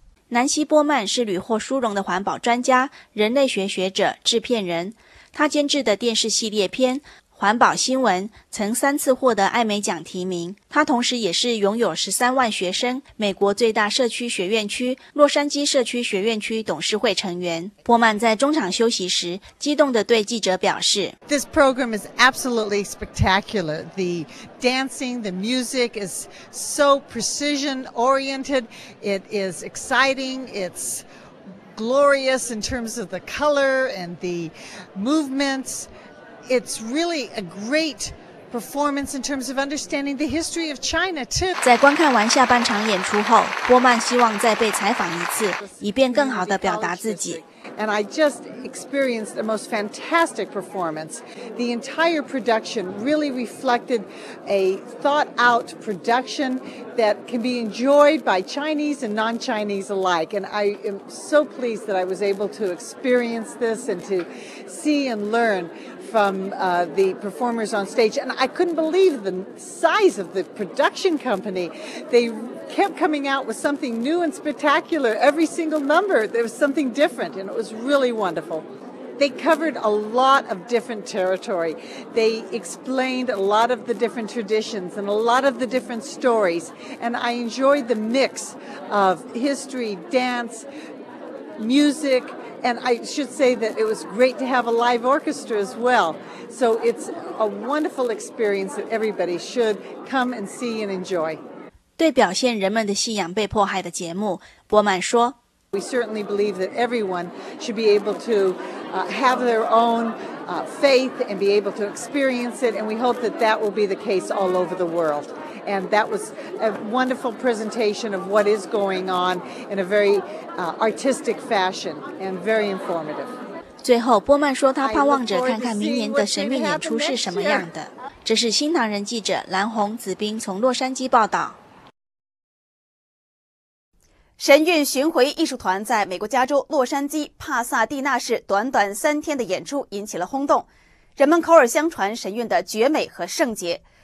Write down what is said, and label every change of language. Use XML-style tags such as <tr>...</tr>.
<zh>南希·波曼是屡获殊荣的环保专家、人类学学者、制片人，他监制的电视系列片环保新闻曾三次获得艾美奖提名，他同时也是拥有13万学生、美国最大社区学院区洛杉矶社区学院区董事会成员。波曼在中场休息时激动地对记者表示，</zh> <en>This program is absolutely spectacular. The dancing, the music is so precision oriented. It is exciting. It's glorious in terms of the color and the movements. It's really a great performance in terms of understanding the history of China too.</en> <zh>在观看完下半场演出后，波曼希望再被采访一次，以便更好地表达自己。</zh> <en>And I just experienced the most fantastic performance. The entire production really reflected a thought-out production that can be enjoyed by Chinese and non-Chinese alike. And I am so pleased that I was able to experience this and to see and learn. From the performers on stage, and I couldn't believe the size of the production company. They kept coming out with something new and spectacular. Every single number, there was something different, and it was really wonderful. They covered a lot of different territory. They explained a lot of the different traditions and a lot of the different stories, and I enjoyed the mix of history, dance, music,And I should say that it was great to have a live orchestra as well. So it's a wonderful experience that everybody should come and see and enjoy.</en> <zh>对表现人们的信仰被迫害的节目，波曼说，</zh> <en>We certainly believe that everyone should be able to have their own faith and be able to experience it. And we hope that that will be the case all over the world. And that was a wonderful presentation of what is going on in a very artistic fashion and very informative.</en> <zh>最后，波曼说他盼望着看看明年的神韵演出是什么样的。这是新唐人记者蓝红子冰从洛杉矶报道。神韵巡回艺术团在美国加州洛杉矶帕萨蒂纳市短短三天的演出引起了轰动，人们口耳相传神韵的绝美和圣洁。</zh>